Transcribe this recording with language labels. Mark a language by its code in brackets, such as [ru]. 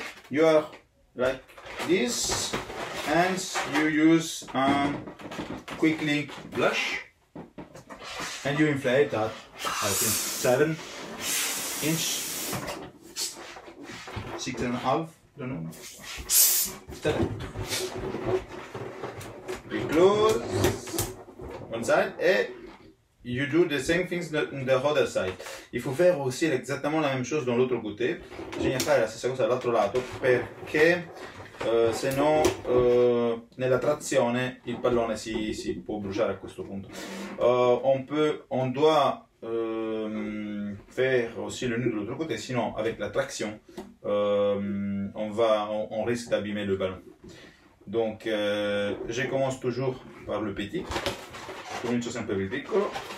[en] You are like this, and you use a quick link blush, and you inflate that, I think, 7 inch, 6 and a half, don't know. 7. We close one side, and you do the same things on the other side. [fr] Il faut faire aussi exactement la même chose dans l'autre côté. [it] Bisogna fare la stessa cosa dall'altro lato perché se no nella trazione il pallone si può bruciare a questo punto. [fr] On doit faire aussi le nœud de l'autre côté, sinon avec la traction on risque d'abîmer le ballon. Donc je commence toujours par le petit. Je commence [it] sempre il piccolo.